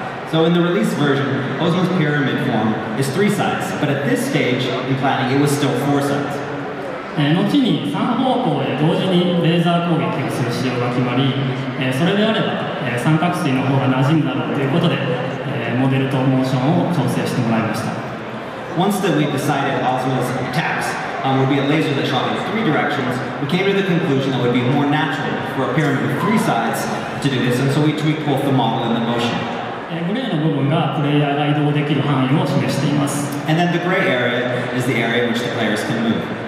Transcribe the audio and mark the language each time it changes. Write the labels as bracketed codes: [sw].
[en] So in the release version, Ozma's pyramid form is three sides, but at this stage in planning, it was still four sides. [ja] 後に三方向へ同時にレーザー攻撃をする仕様が決まり、それであれば三角錐の方が馴染むだろうということで、モデルとモーションを調整してもらいました。 [en] Once that we decided Ozma's attacks would be a laser that shot in three directions, we came to the conclusion that it would be more natural for a pyramid with three sides to do this, and so we tweaked both the model and the motion. And then the gray area is the area in which the players can move.